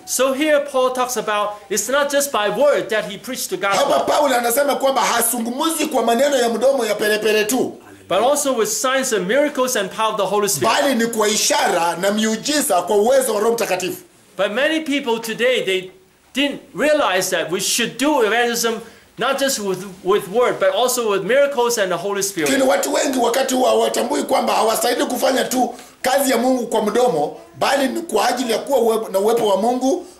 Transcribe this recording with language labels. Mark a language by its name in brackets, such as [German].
[English] So here Paul talks about it's not just by word that he preached the gospel. [Swahili] Hapa Paul anasema kwamba hasungumuzi kwa maneno ya mdomo ya perepere tu. [English] But also with signs and miracles and power of the Holy Spirit. [Swahili] Bali ni kwa ishara na miujiza kwa uwezo wa Roho Mtakatifu. [English] But many people today they didn't realize that we should do evangelism not just with word but also with miracles and the Holy Spirit. [Swahili] Kini watu wengi wakati huwa watambui kwamba hawastahili kufanya tu kazi ya Mungu kwa mdomo bali ni kwa ajili ya kuwa na uwepo wa Mungu,